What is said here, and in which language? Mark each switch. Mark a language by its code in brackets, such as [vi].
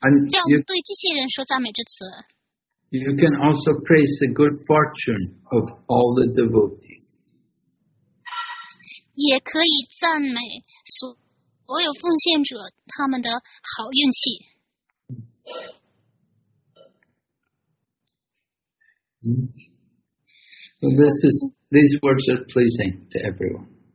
[zh] 要对这些人说赞美之词。 [en] You can also praise the good fortune of all the devotees. [zh] 也可以赞美所有奉献者他们的好运气。 [en] So these words are pleasing to everyone.